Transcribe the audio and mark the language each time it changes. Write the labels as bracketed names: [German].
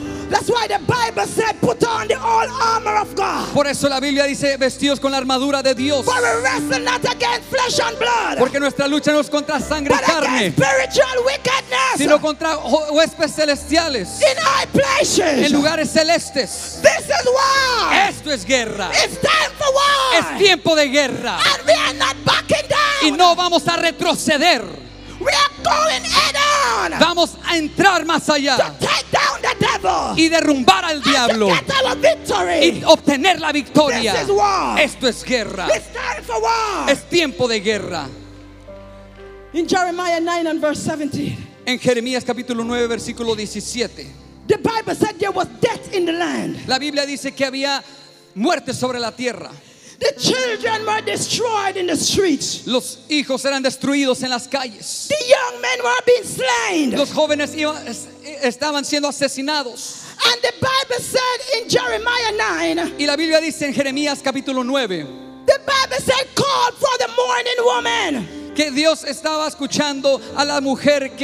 [English] That's why the Bible said, "Put on the whole armor of God." [Spanish] Por eso la Biblia dice, vestidos con la armadura de Dios. [English] For we wrestle not against flesh and blood. [Spanish] Porque nuestra lucha no es contra sangre y carne. [English] But against spiritual wickedness. [Spanish] Sino contra huestes celestiales. [English] In high places. [Spanish] En lugares celestes. [English] This is war. [Spanish] Esto es guerra. [English] It's time for war. [Spanish] Es tiempo de guerra. [English] And we are not backing down. [Spanish] Y no vamos a retroceder. [English] We are going head on. [Spanish] Vamos a entrar más allá. [English] To take down the devil. [Spanish] Y derrumbar al diablo. [English] And to get our victory. [Spanish] Y obtener la victoria. [English] This is war. [Spanish] Esto es guerra. [English] It's time for war. [Spanish] Es tiempo de guerra. [English] In Jeremiah 9 and verse 17. [Spanish] En Jeremías capítulo 9 versículo 17. [English] The Bible said there was death in the land. [Spanish] La Biblia dice que había muerte sobre la tierra. [English] The children were destroyed in the streets. [Spanish] Los hijos eran destruidos en las calles. [English] The young men were being slain. [Spanish] Los jóvenes estaban siendo asesinados. [English] And the Bible said in Jeremiah 9. [Spanish] Y la Biblia dice en Jeremías capítulo 9. [English] The Bible said, "Call for the mourning woman." [Spanish] Que Dios estaba escuchando a la mujer que